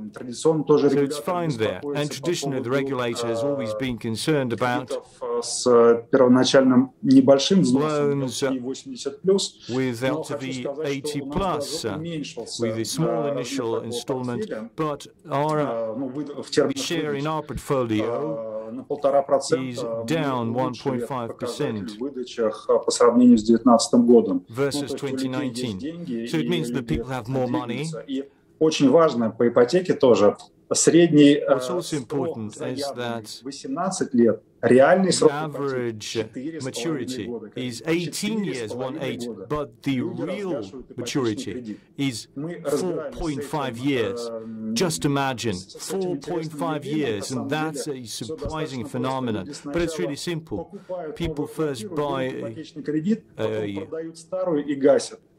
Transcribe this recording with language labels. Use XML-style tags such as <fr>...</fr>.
<en>So it's fine there. And traditionally, the regulator has always been concerned about loans with LTV 80 plus, with a small initial installment, but our share in our portfolio is down 1.5% versus 2019. So it means that people have more money.</en> <ru>Очень важно по ипотеке тоже средний срок заявленный 18 лет. Реальный срок</ru> <en>average maturity is 18 years, 1.8, but the real maturity is 4.5 years. Just imagine, 4.5 years, and that's a surprising phenomenon. But it's really simple. People first buy a</en>